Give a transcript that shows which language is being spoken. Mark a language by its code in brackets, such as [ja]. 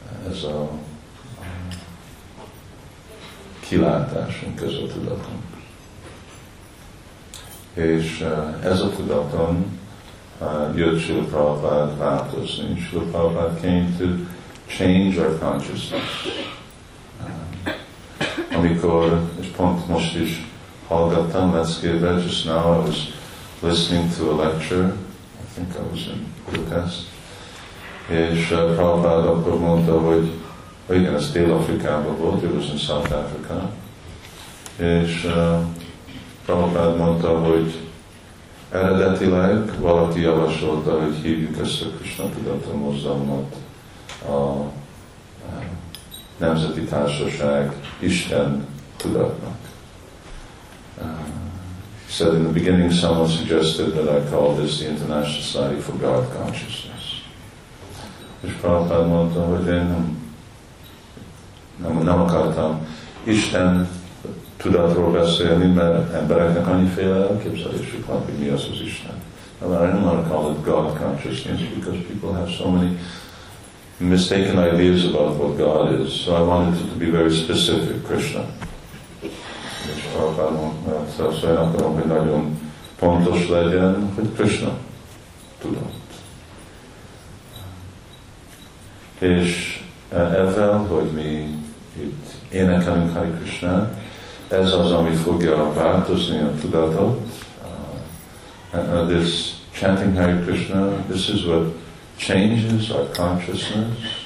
[hu] Ez a kilátásunk, ez a tudatunk. És ez a tudaton jött Srila Prabhupád változni. [en] Srila Prabhupád came to change our consciousness. [hu] Amikor, és pont most is hallgattam, [en] let's give it, just now I was listening to a lecture, I think I was in Budapest, [hu] és Prabhupád akkor mondta, hogy igen, ez Dél-Afrikában volt, [en] it was in South Africa, és [hu] Prabhupád mondta, hogy eredetileg valaki javasolta, hogy hívjuk ezt a Krishna Tudata mozzalmat a Nemzeti Társaság Isten Tudatnak. [en] He said, in the beginning someone suggested that I call this the International Society for God Consciousness. [hu] És Prabhupád mondta, hogy én nem akartam Isten tudatról beszélni, mert embereknek annyiféle elképzelésük van, hogy mi az az Isten. [en] Well, I don't want to call it God consciousness because people have so many mistaken ideas about what God is. So I wanted it to be very specific, Krishna. [hu] És akár olyan akarom, hogy nagyon pontos legyen, hogy Krishna tudott. És ezzel, hogy mi itt énekelünk Hare Krishna, ez az, ami fogja változni a tudatot. [en] This chanting Hare Krishna, this is what changes our consciousness.